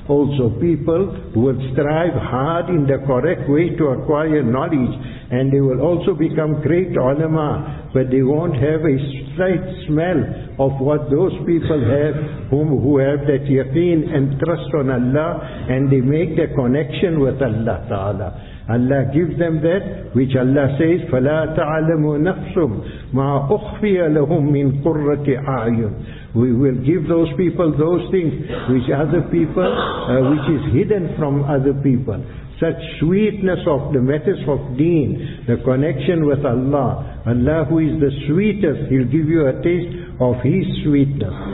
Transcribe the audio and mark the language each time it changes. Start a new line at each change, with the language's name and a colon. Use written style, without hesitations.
English: Also people will strive hard in the correct way to acquire knowledge, and they will also become great ulama, but they won't have a slight smell of what those people have who have that yaqeen and trust on Allah, and they make the connection with Allah Ta'ala. Allah gives them that which Allah says,
Arabic: فَلَا تَعْلَمُ نَفْسٌ مَا أُخْفِيَ لَهُمْ مِنْ قُرَّةِ أَعْيُنٍ.
English: We will give those people those things which other people, which is hidden from other people. Such sweetness of the matters of deen, the connection with Allah. Allah who is the sweetest, He'll give you a taste of His sweetness.